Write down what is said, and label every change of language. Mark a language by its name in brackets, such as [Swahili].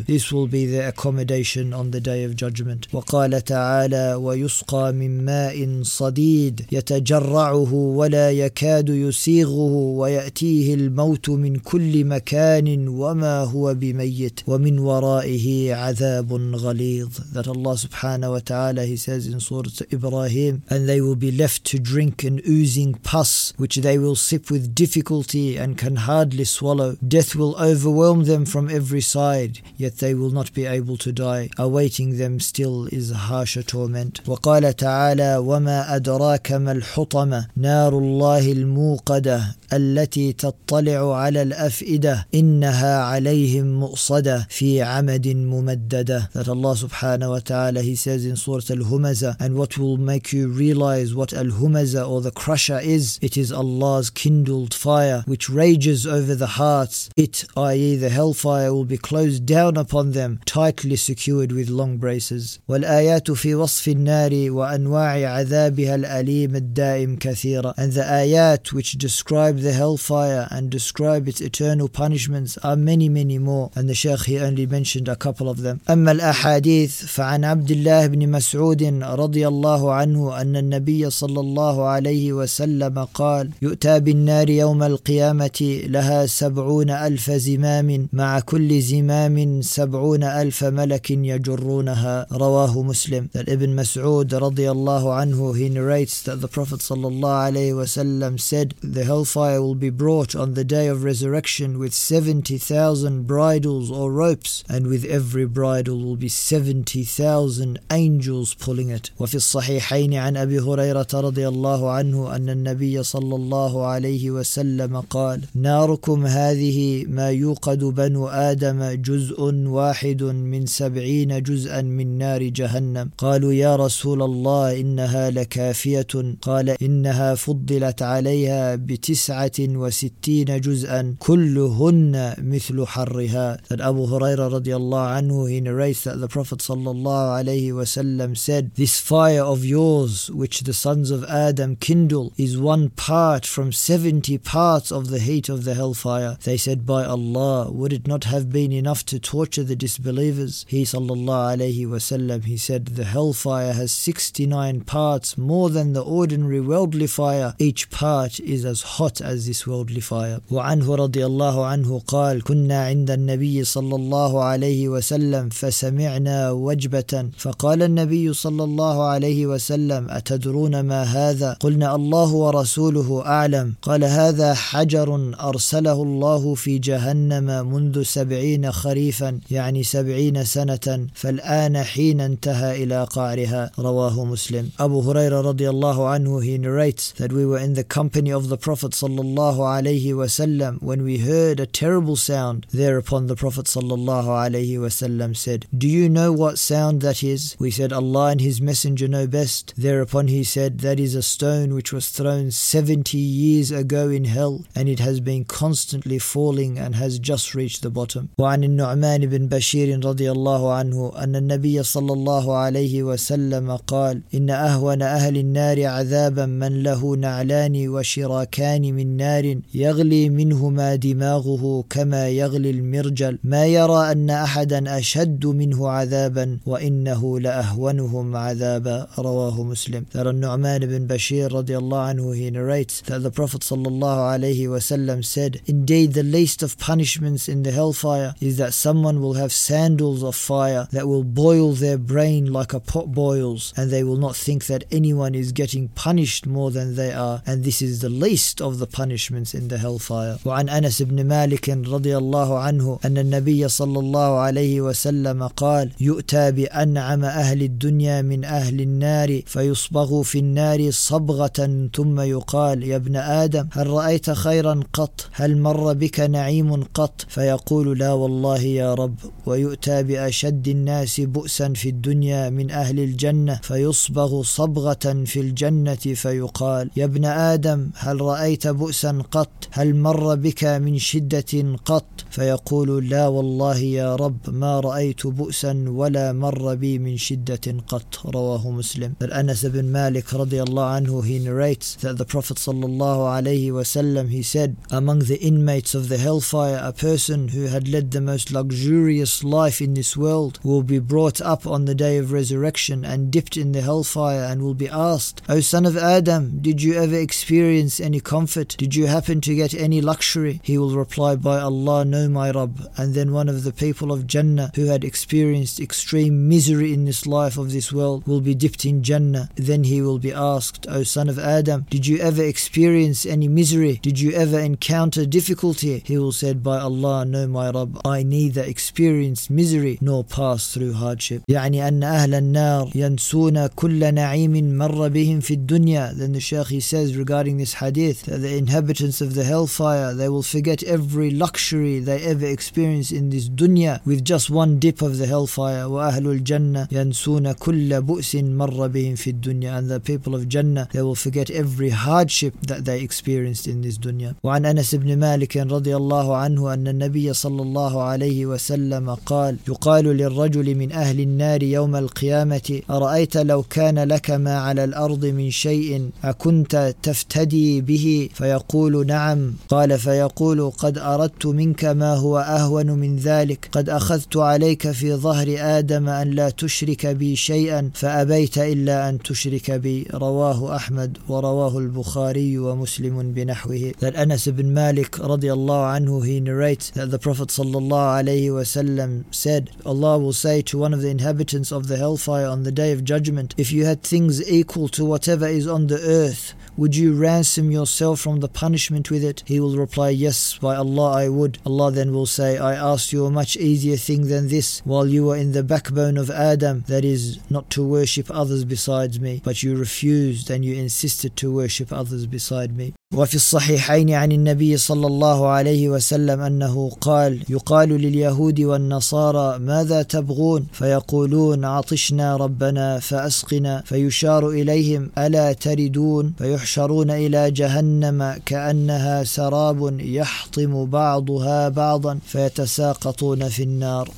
[English] This will be their accommodation on the Day of Judgment. [Arabic] وقال تعالى ويسقى من ماء صديد يتجرعه ولا يكاد يسيغه ويأتيه الموت من كل مكان وما هو بميت ومن ورائه عذاب غليظ. [English] That Allah subhanahu wa ta'ala, he says in Surah Ibrahim, and they will be left to drink an oozing pus which they will sip with difficulty and can hardly swallow. Death will overwhelm them from every side, yet they will not be able to die. Awaiting them still is a harsher torment. [Arabic] وقال تعالى وما أدراك ما الحطمة نار الله الموقدة التي تطلع على الأفئدة إنها عليهم مؤصدة في عمد ممددة. [English] That Allah subhanahu wa ta'ala, he says in Surah Al-Humaza, and what will make you realize what Al-Humaza or the crusher is, it is Allah's kindled fire which rages over the hearts. It, i.e. the hellfire, will be closed down upon them, tightly secured with long braces. [Arabic] والآيات في وصف النار وأنواع عذابها الأليم الدائم كثيرة. [English] And the ayat which describe the hellfire and describe its eternal punishments are many, many more. And the Shaykh, he only mentioned a couple of them. [Arabic] أما الأحاديث فعن عبد الله بن مسعود رضي الله عنه أن النبي صلى الله عليه وسلم قال يؤتى بالنار يوم القيامة لها 70,000 زمام مع كل زمام 70,000 ملك يجرونها. رواه مسلم. [English] That Ibn Mas'ud رضي الله عنه, he narrates that the Prophet صلى الله عليه وسلم said the hellfire fire will be brought on the Day of Resurrection with 70,000 bridles or ropes, and with every bridle will be 70,000 angels pulling it. [Arabic] وفي الصحيحين عن أبي هريرة رضي الله عنه أن النبي صلى الله عليه وسلم قال ناركم هذه ما يوقد بنو آدم جزء واحد من 70 جزءا من نار جهنم. قالوا يا رسول الله إنها لكافية. قال إنها فضلت عليها بتسعة 69 جزءا كلهن مثل حرها. [English] That Abu Huraira radiallahu anhu, he narrates that the Prophet sallallahu alayhi wa sallam said, this fire of yours which the sons of Adam kindle is one part from 70 parts of the heat of the hellfire. They said, by Allah, would it not have been enough to torture the disbelievers? He sallallahu alayhi wa sallam, he said, the hellfire has 69 parts more than the ordinary worldly fire. Each part is as hot as this worldly fire. [Arabic] وعنه رضي الله عنه قال كنا عند النبي صلى الله عليه وسلم فسمعنا وجبة فقال النبي صلى الله عليه وسلم أتدرون ما هذا؟ قلنا الله ورسوله أعلم. قال هذا حجر أرسله الله في جهنم منذ 70 خريفا يعني 70 سنة فالآن حين انتهى إلى قعرها. رواه مسلم. [English] أبو هريرة رضي الله عنه, he narrates that we were in the company of the Prophet sallallahu alayhi wa sallam when we heard a terrible terrible sound. Thereupon the Prophet sallallahu alaihi wasallam said, "Do you know what sound that is?" We said, "Allah and His Messenger know best." Thereupon he said, "That is a stone which was thrown 70 years ago in hell, and it has been constantly falling and has just reached the bottom." [Arabic] وعن النعمان بن بشير رضي الله عنه أن النبي صلى الله عليه وسلم قال إن أهون أهل النار عذابا من له نعلان وشراكان من نار يغلي منهما دماغه كما يغلي المرجل ما يرى أن أحدا أشد منه عذابا وإنه لأهونهم عذابا رواه مسلم. [English] That النعمان بن بشير رضي الله عنه, he narrates that the Prophet صلى الله عليه وسلم said, "Indeed the least of punishments in the hellfire is that someone will have sandals of fire that will boil their brain like a pot boils, and they will not think that anyone is getting punished more than they are, and this is the least of the punishments in the hellfire." [Arabic] وعن أنس بن مالك رضي الله عنه أن النبي صلى الله عليه وسلم قال يؤتى بأنعم أهل الدنيا من أهل النار فيصبغ في النار صبغة ثم يقال يا ابن آدم هل رأيت خيرا قط هل مر بك نعيم قط فيقول لا والله يا رب ويؤتى بأشد الناس بؤسا في الدنيا من أهل الجنة فيصبغ صبغة في الجنة فيقال يا ابن آدم هل رأيت بؤسا قط هل مر بك من شدة قط فيقول لا والله يا رب ما رأيت بؤسا ولا مر بي من شدة قط رواه مسلم. [English] But Anas ibn Malik رضي الله عنه, he narrates that the Prophet صلى الله عليه وسلم, he said, among the inmates of the hellfire, a person who had led the most luxurious life in this world will be brought up on the day of resurrection and dipped in the hellfire and will be asked, O son of Adam, did you ever experience any comfort? Did you happen to get any luxury? He will reply, by Allah, no, my Rabb. And then one of the people of Jannah who had experienced extreme misery in this life of this world will be dipped in Jannah. Then he will be asked, O son of Adam, did you ever experience any misery? Did you ever encounter difficulty? He will say, by Allah, no, my Rabb, I neither experienced misery nor passed through hardship. [Arabic] يعني أن أهل النار ينسون كل نعيم مر بهم في الدنيا. [English] Then the Shaykh, he says regarding this hadith, that the inhabitants of the hellfire, they will forget every luxury they ever experienced in this dunya with just one dip of the hellfire. [Arabic] وأهل الجنة ينسون كل بؤس مر بهم في الدنيا. [English] And the people of Jannah, they will forget every hardship that they experienced in this dunya. [Arabic] وعن أنس بن مالك رضي الله عنه أن النبي صلى الله عليه وسلم قال يقال للرجل من أهل النار يوم القيامة أرأيت لو كان لك ما على الأرض من شيء أكنت تفتدي به فيقول نعم قال فيقول قد أردت منك ما هو أهون من ذلك قد أخذت عليك في ظهر آدم أن لا تشرك بي شيئا فأبيت إلا أن تشرك بي رواه أحمد ورواه البخاري ومسلم بنحوه. [English] That Anas ibn Malik رضي الله عنه, he narrates that the Prophet sallallahu alaihi wasallam said, Allah will say to one of the inhabitants of the hellfire on the day of judgment, if you had things equal to whatever is on the earth, would you ransom yourself from the punishment with it? He will reply, yes, by Allah, I would. Allah then will say, I asked you a much easier thing than this while you were in the backbone of Adam, that is, not to worship others besides me, but you refused and you insisted to worship others beside me. [Arabic] وفي الصحيحين عن النبي صلى الله عليه وسلم أنه قال يقال لليهود والنصارى ماذا تبغون فيقولون عطشنا ربنا فأسقنا فيشار إليهم ألا تردون فيحشرون إلى جهنم كأنها سراب يحطم بعضها بعضا فيتساقطون في النار.